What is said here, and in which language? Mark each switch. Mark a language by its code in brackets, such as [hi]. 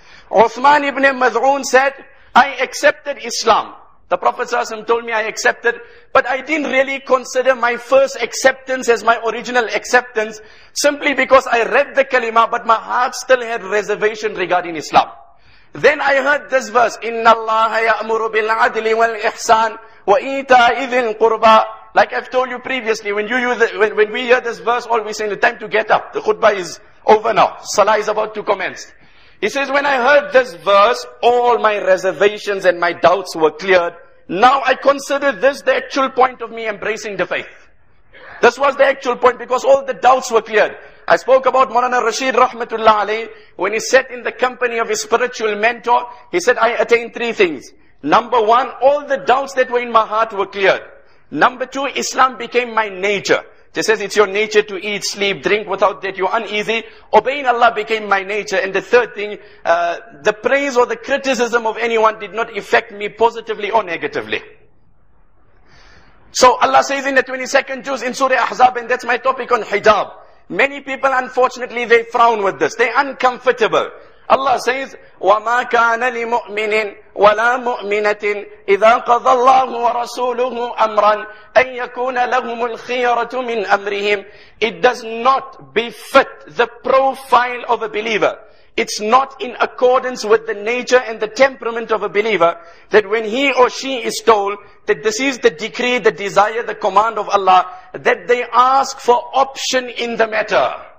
[en] Uthman ibn Maz'un said, I accepted Islam. The Prophet ﷺ told me I accepted, but I didn't really consider my first acceptance as my original acceptance, simply because I read the kalima, but my heart still had reservation regarding Islam. Then I heard this verse, [ar] إِنَّ اللَّهَ يَأْمُرُ بِالْعَدْلِ وَالْإِحْسَانِ وَإِيْتَاءِ ذِي الْقُرْبَى. [en] Like I've told you previously, when we hear this verse, all we say, the time to get up. The khutbah is over now. Salah is about to commence. He says, when I heard this verse, all my reservations and my doubts were cleared. Now I consider this the actual point of me embracing the faith. This was the actual point, because all the doubts were cleared. I spoke about Maulana Rashid Rahmatullah Ali. When he sat in the company of his spiritual mentor, he said, I attained three things. Number one, all the doubts that were in my heart were cleared. Number two, Islam became my nature. He says it's your nature to eat, sleep, drink without that you're uneasy. Obeying Allah became my nature. And the third thing, the praise or the criticism of anyone did not affect me positively or negatively. So Allah says in the 22nd juz in Surah Ahzab, and that's my topic on hijab. Many people, unfortunately, they frown with this. They're uncomfortable. Allah says, [ar] وَمَا كَانَ لِمُؤْمِنٍ وَلَا مُؤْمِنَةٍ إِذَا قَضَى اللَّهُ وَرَسُولُهُ أَمْرًا أَنْ يَكُونَ لَهُمُ الْخِيَرَةُ مِنْ أَمْرِهِمْ. [en] It does not befit the profile of a believer. It's not in accordance with the nature and the temperament of a believer that when he or she is told that this is the decree, the desire, the command of Allah, that they ask for option in the matter.